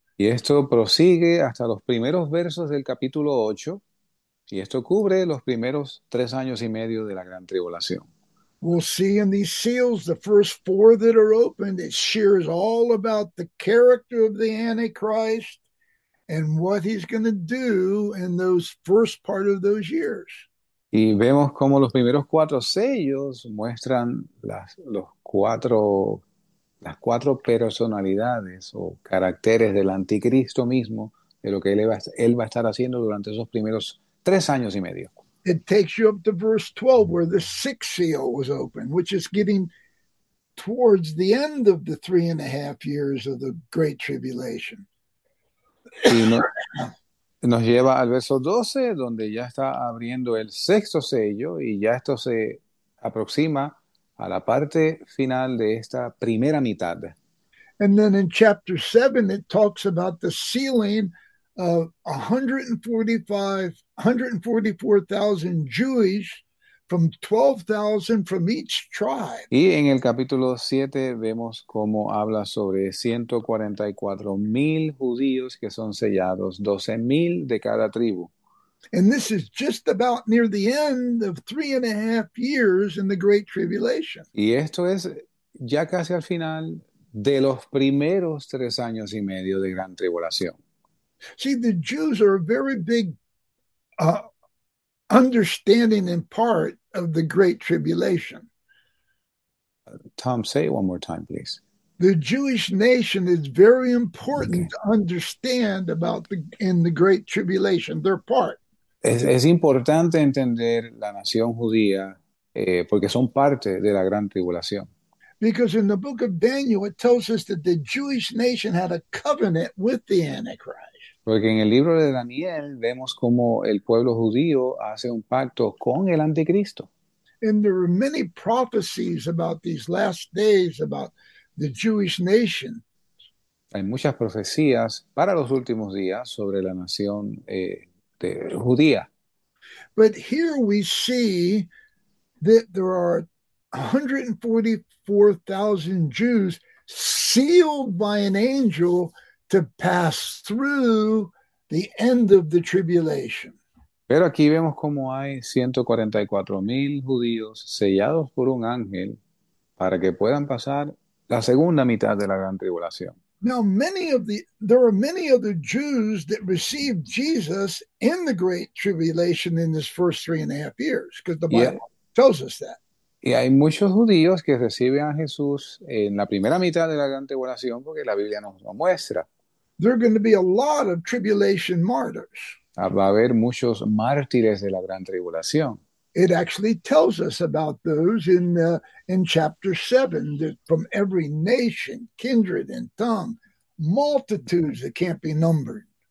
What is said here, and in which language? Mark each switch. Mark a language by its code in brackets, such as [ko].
[es] Y esto prosigue hasta los primeros versos del capítulo 8, y esto cubre los primeros 3 años y medio de la gran tribulación. [en] We'll see in these seals, the first four that are opened, it shares all about the character of the Antichrist and what he's going to do in those first part of those years. [es] Y vemos cómo los primeros 4 sellos muestran las cuatro personalidades o caracteres del anticristo mismo, de lo que él va a estar haciendo durante esos primeros 3 años y medio. [en] It takes you up to verse 12, where the sixth seal was opened, which is getting towards the end of the 3.5 years of the Great Tribulation. [es] Y no, nos lleva al verso 12, donde ya está abriendo el sexto sello, y ya esto se aproxima a la parte final de esta primera mitad. [en] And then in chapter 7, it talks about the sealing of 144,000 Jewish from 12,000 from each tribe. [es] Y en el capítulo 7 vemos cómo habla sobre 144.000 judíos que son sellados, 12.000 de cada tribu. [en] And this is just about near the end of 3.5 years in the Great Tribulation. [es] Y esto es ya casi al final de los primeros 3 años y medio de gran tribulación. [en] See, the Jews are a very big understanding and part of the Great Tribulation. Tom, say it one more time, please. The Jewish nation is very important Okay. to understand about in the Great Tribulation, their part. [es] Es importante entender la nación judía porque son parte de la gran tribulación. [en] Because in the book of Daniel, it tells us that the Jewish nation had a covenant with the Antichrist. [es] Porque en el libro de Daniel vemos cómo el pueblo judío hace un pacto con el anticristo. [en] And there are many prophecies about these last days about the Jewish nation. [es] Hay muchas profecías para los últimos días sobre la nación de judía. [en] But here we see that there are 144,000 Jews sealed by an angel to pass through the end of the tribulation. [es] Pero aquí vemos cómo hay 144.000 judíos sellados por un ángel para que puedan pasar la segunda mitad de la gran tribulación. [en] Now, there are many other Jews that received Jesus in the Great Tribulation in his first 3.5 years, because the Yeah. Bible tells us that. [es] Y hay muchos judíos que reciben a Jesús en la primera mitad de la gran tribulación porque la Biblia nos lo muestra. [en] There are going to be a lot of tribulation martyrs. [es] Va a haber muchos mártires de la gran tribulación. [en] It actually tells us about those in chapter 7, that from every nation, kindred, and tongue, multitudes that can't be numbered.